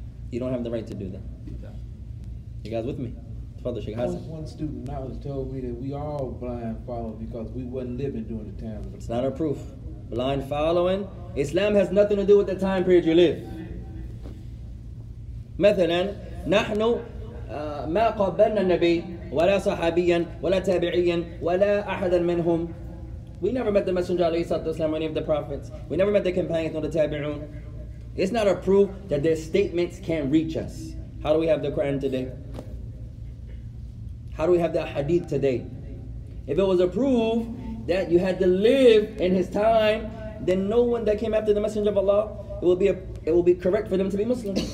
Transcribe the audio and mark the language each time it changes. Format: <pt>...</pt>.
<en>You don't have the right to do that. You guys with me? Father Sheikh Hassan. One student now has told me that we all blind follow because we wasn't living during the time. It's not a proof. Blind following, Islam has nothing to do with the time period you live.</en> <ar>مثلاً نحن ما قبلنا النبي ولا صحابياً ولا تابعياً ولا أحداً منهم.</ar> <en>We never met the Messenger عليه الصلاة والسلام, any of the prophets. We never met the companions nor the tabi'un. It's not a proof that their statements can reach us. How do we have the Quran today? How do we have the hadith today? If it was a proof that you had to live in his time, then no one that came after the Messenger of Allah, it will be correct for them to be Muslim.</en>